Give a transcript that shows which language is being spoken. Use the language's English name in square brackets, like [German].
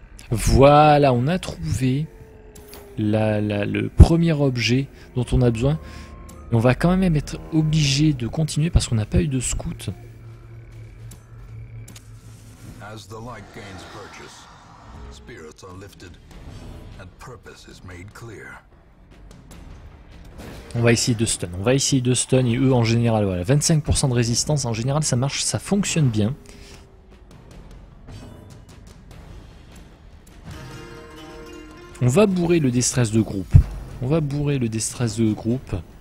[French] Voilà, on a trouvé le premier objet dont on a besoin. On va quand même être obligé de continuer parce qu'on n'a pas eu de scout. [English] As the light gains purchase, spirits are lifted and purpose is made clear. [French] On va essayer de stun. On va essayer de stun et eux en général, voilà, 25% de résistance en général, ça marche, ça fonctionne bien. On va bourrer le déstress de groupe. On va bourrer le déstress de groupe.